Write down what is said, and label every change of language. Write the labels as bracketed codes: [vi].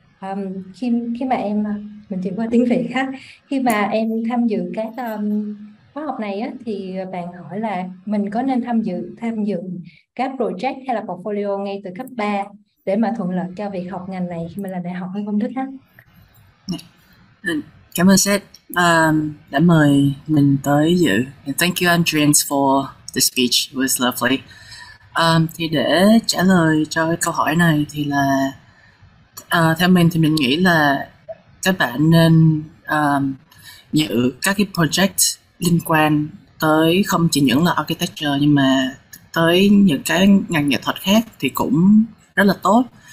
[vi] Khi mà em mình chuyển qua tiếng Việt ha, khi mà em tham dự cái khóa học này á, thì bạn hỏi là mình có nên tham dự các project hay là portfolio ngay từ cấp 3 để mà thuận lợi cho việc học ngành này khi mà là đại học hay không Đức ha. Cảm ơn Seth đã mời mình tới dự. [en] And thank you Adrian for the speech, it was lovely. [vi] Thì để trả lời cho câu hỏi này thì là theo mình thì mình nghĩ là các bạn nên giữ các cái project liên quan tới không chỉ những là architecture nhưng mà tới những cái ngành nghệ thuật khác thì cũng rất là tốt.